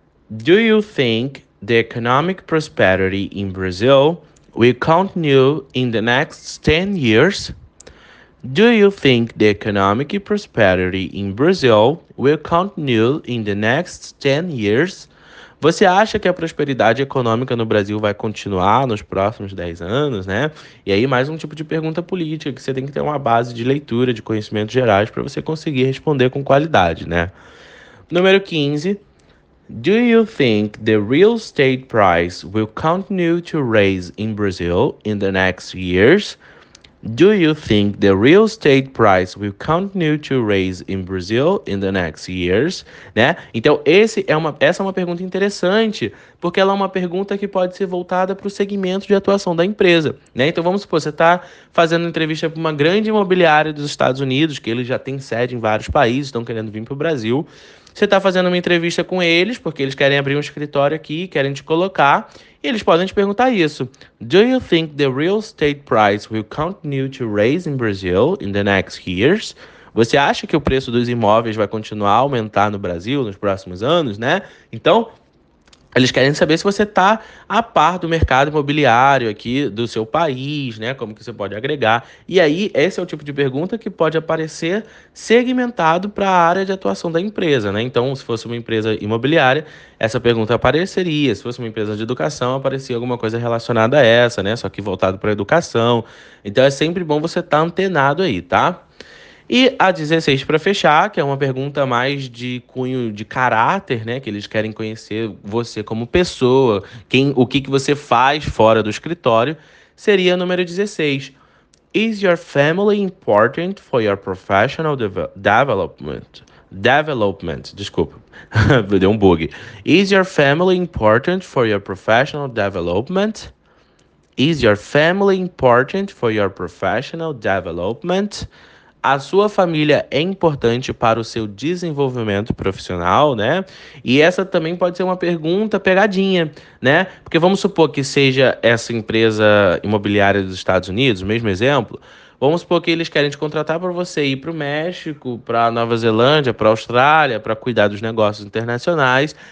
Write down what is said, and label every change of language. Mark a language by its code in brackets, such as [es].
[en] Do you think the economic prosperity in Brazil will continue in the next 10 years? Do you think the economic prosperity in Brazil will continue in the next 10 years? [pt] Você acha que a prosperidade econômica no Brasil vai continuar nos próximos 10 anos, né? E aí, mais um tipo de pergunta política que você tem que ter uma base de leitura, de conhecimentos gerais para você conseguir responder com qualidade, né? Número 15. [en] Do you think the real estate price will continue to raise in Brazil in the next years? Do you think the real estate price will continue to raise in Brazil in the next years? [pt] Né? Então, essa é uma pergunta interessante, porque ela é uma pergunta que pode ser voltada para o segmento de atuação da empresa. Né? Então, vamos supor, você está fazendo entrevista para uma grande imobiliária dos Estados Unidos, que eles já têm sede em vários países, estão querendo vir para o Brasil. Você está fazendo uma entrevista com eles, porque eles querem abrir um escritório aqui, querem te colocar, e eles podem te perguntar isso. [en] Do you think the real estate price will continue to raise in Brazil in the next years? [pt] Você acha que o preço dos imóveis vai continuar a aumentar no Brasil nos próximos anos, né? Então, eles querem saber se você está a par do mercado imobiliário aqui do seu país, né? Como que você pode agregar? E aí, esse é o tipo de pergunta que pode aparecer segmentado para a área de atuação da empresa, né? Então, se fosse uma empresa imobiliária, essa pergunta apareceria. Se fosse uma empresa de educação, aparecia alguma coisa relacionada a essa, né? Só que voltado para a educação. Então, é sempre bom você estar antenado aí, tá? E a 16 para fechar, que é uma pergunta mais de cunho de caráter, né? Que eles querem conhecer você como pessoa, o que que você faz fora do escritório, seria número 16. [en] Is your family important for your professional development? Development, [pt] desculpa. Deu um bug. [en] Is your family important for your professional development? Is your family important for your professional development? [pt] A sua família é importante para o seu desenvolvimento profissional, né? E essa também pode ser uma pergunta pegadinha, né? Porque vamos supor que seja essa empresa imobiliária dos Estados Unidos, o mesmo exemplo. Vamos supor que eles querem te contratar para você ir para o México, para a Nova Zelândia, para a Austrália, para cuidar dos negócios internacionais.